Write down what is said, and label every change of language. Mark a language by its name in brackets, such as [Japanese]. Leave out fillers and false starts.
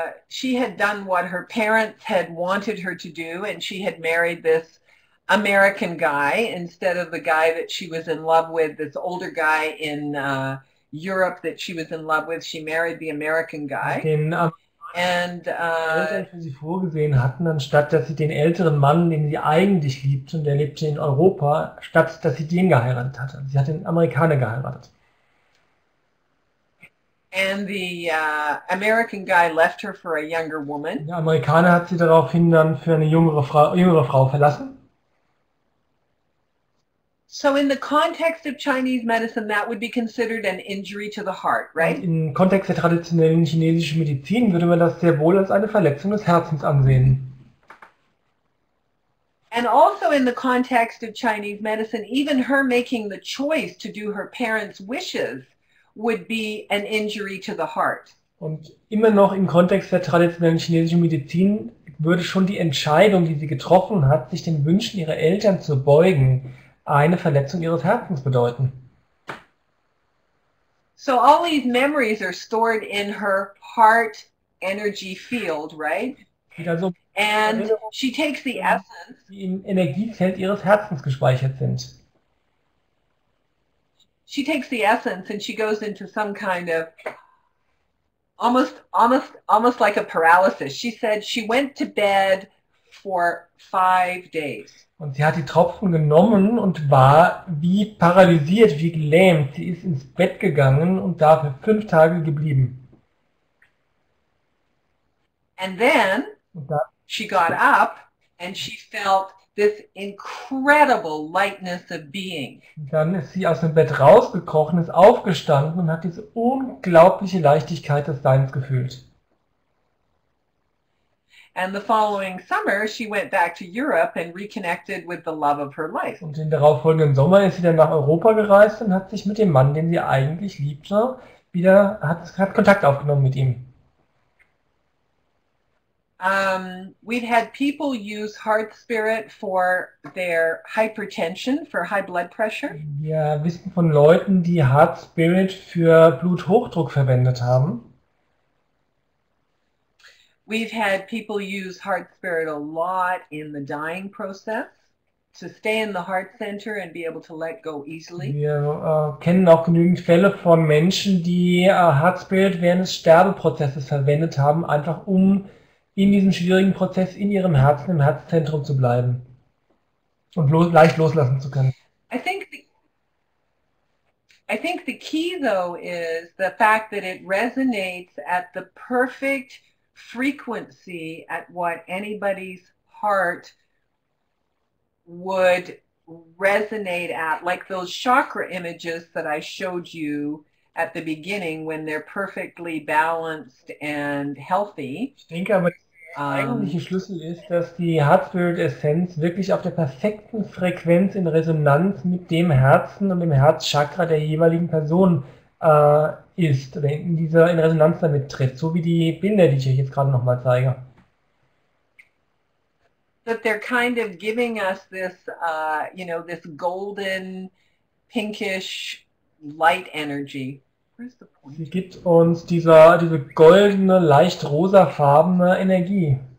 [English] she had done what her parents had wanted her to do, and she had married this American guy instead of the guy that she was in love with, this older guy in Europe that she was in love with. She married the American guy. [German] Den [English] And [German] Eltern für sie vorgesehen hatten, anstatt dass sie den älteren Mann, den sie eigentlich liebte und der lebte in Europa, statt dass sie den geheiratet hatte. Sie hat den Amerikaner geheiratet. [English] the American guy left her for a younger woman. [German] Der Amerikaner hat sie daraufhin dann für eine jüngere Frau verlassen. [English] So in the context of Chinese medicine, that would be considered an injury to the heart, [German] Und [English] right? [German] im Kontext der traditionellen chinesischen Medizin würde man das sehr wohl als eine Verletzung des Herzens ansehen. [English] And also in the context of Chinese medicine, even her making the choice to do her parents' wishes would be an injury to the heart. [German] Und immer noch im Kontext der traditionellen chinesischen Medizin würde schon die Entscheidung, die sie getroffen hat, sich den Wünschen ihrer Eltern zu beugen, eine Verletzung ihres Herzens bedeuten. [English] So all these memories are stored in her heart energy field, right? [German] Wieder so [English] And [German] Erinnerungen, [English] she takes the essence. [German] die im Energiefeld ihres Herzens gespeichert sind. [English] She takes the essence and she goes into some kind of almost like a paralysis. She said she went to bed for 5 days. [German] Und sie hat die Tropfen genommen und war wie paralysiert, wie gelähmt. Sie ist ins Bett gegangen und da für 5 Tage geblieben. [English] And then she got up and she felt this incredible lightness of being. [German] Dann ist sie aus dem Bett rausgekrochen, ist aufgestanden und hat diese unglaubliche Leichtigkeit des Seins gefühlt. [English] And the following summer she went back to Europe and reconnected with the love of her life. [German] Und den darauffolgenden Sommer ist sie dann nach Europa gereist und hat sich mit dem Mann, den sie eigentlich liebte, hat Kontakt aufgenommen mit ihm. [English] We've had people use heart spirit for their hypertension, for high blood pressure. [German] Wir wissen von Leuten, die Heartspirit für Bluthochdruck verwendet haben. [English] We've had people use heart spirit a lot in the dying process to stay in the heart center and be able to let go easily. [German] Wir kennen auch genügend Fälle von Menschen, die Heartspirit während des Sterbeprozesses verwendet haben, einfach um in diesem schwierigen Prozess in ihrem Herzen, im Herzzentrum zu bleiben und leicht loslassen zu können. [English] I think the key though is the fact that it resonates at the perfect frequency at what anybody's heart would resonate at, like those chakra images that I showed you at the beginning when they're perfectly balanced and healthy. [German] Ich denke aber, dass der eigentliche Schlüssel ist, dass die Heartspirit-Essenz wirklich auf der perfekten Frequenz in Resonanz mit dem Herzen und dem Herzchakra der jeweiligen Person ist, oder in Resonanz damit tritt, so wie die Bilder, die ich euch jetzt gerade nochmal zeige. [English] That they're kind of giving us this, this golden, pinkish light energy. Where's the [German] Sie [English] pointer? [German] gibt uns diese goldene, leicht rosafarbene Energie.